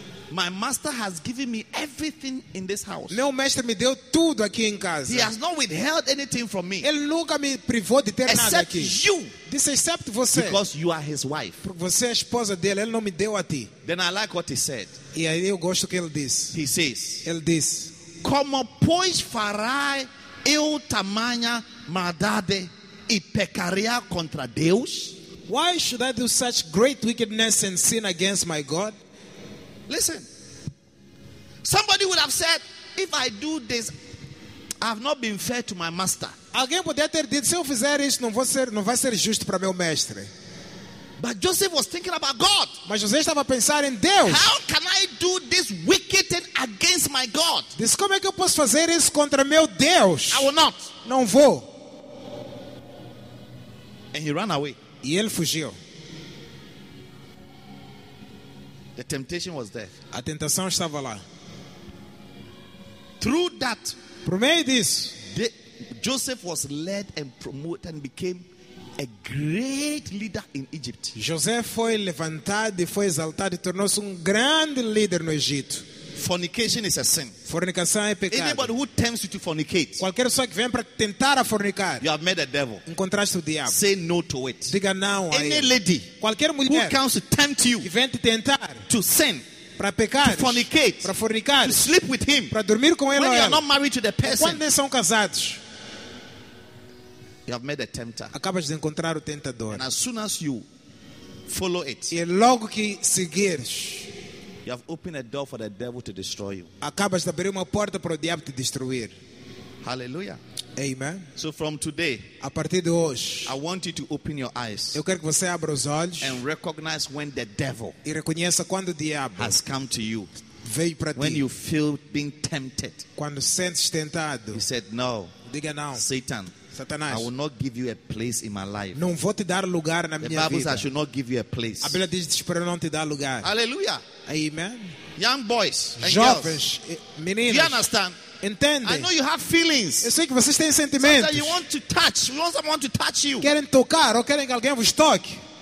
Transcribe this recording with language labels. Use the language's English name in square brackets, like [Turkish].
[English] My master has given me everything in this house. [Portuguese] Meu mestre me deu tudo aqui em casa. [English] He has not withheld anything from me. [Portuguese] Ele nunca me privou de ter [English] except [Portuguese] nada aqui. [English] You. This except [Portuguese] você. [English] Because you are his wife. [Portuguese] Porque você é esposa dele. Ele não me deu a ti. [English] Then I like what he said. [Portuguese] E aí eu gosto que ele diz. [English] He says. [Portuguese] Ele diz. Como pois farai eu tamanha maldade e pecaria contra Deus? [English] Why should I do such great wickedness and sin against my God? Listen, somebody would have said, if I do this, I've not been fair to my master. [Portuguese] Alguém poderia ter dito, se eu fizer isso, não vai ser justo para meu mestre. [English] But Joseph was thinking about God. [Portuguese] Mas José estava a pensar em Deus. [English] How can I do this wicked thing against my God? [Portuguese] Diz, como é que eu posso fazer isso contra meu Deus? [English] I will not. [Portuguese] Não vou. [English] And he ran away. [Portuguese] E ele fugiu. [English] The temptation was there. [Portuguese] A tentação estava lá. [English] Through that, [Portuguese] por meio disso, [English] Joseph was led and promoted and became a great leader in Egypt. [Portuguese] José foi levantado e foi exaltado e tornou-se grande líder no Egito. [English] Fornication is a sin. [Portuguese] Fornicação é pecado. [English] Anybody who tempts you to fornicate, [Portuguese] qualquer pessoa que vem para tentar a fornicar, [English] you have met the devil. [Portuguese] Encontraste o diabo. [English] Say no to it. [Portuguese] Diga não a [English] any lady, [Portuguese] qualquer mulher, [English] who comes to tempt you, [Portuguese] que vem te tentar, [English] to sin, [Portuguese] para pecar, [English] to fornicate, [Portuguese] para fornicar, [English] to sleep with him, [Portuguese] para dormir com ele. [English] When you are not married to the person, [Portuguese] quando não são casados, [English] you have met the tempter. [Portuguese] Acabas de encontrar o tentador. [English] And as soon as you follow it, [Portuguese] e logo que seguires, [English] you have opened a door for the devil to destroy you. [Portuguese] Acabas de abrir uma porta para o diabo te destruir. [English] Hallelujah. [Portuguese] Amen. [English] So from today, [Portuguese] a partir de hoje, [English] I want you to open your eyes. [Portuguese] Eu quero que você abra os olhos [English] and recognize when the devil [Portuguese] e reconheça quando o diabo [English] has come to you. [Portuguese] Veio para ti. [English] When you feel being tempted, [Portuguese] quando sentes tentado, [English] he said no. [Portuguese] Diga não. [English] Satan. [Portuguese] Satanás, [English] I will not give you a place in my life. [Portuguese] Não vou te dar lugar na [English] the [Portuguese] minha [English] Bible [Portuguese] vida. [English] Says I should not give you a place. [Portuguese] A Bíblia diz para não te dar lugar. [English] Hallelujah. [Portuguese] Amen. [English] Young boys and [Portuguese] jovens, [English] girls, [Portuguese] meninos, [English] do you understand? [Portuguese] Entende? [English] I know you have feelings. [Portuguese] Eu sei que vocês têm sentimentos. [English] So you want to touch. You want someone to touch you. [Portuguese] Querem tocar ou querem que alguém vos toque.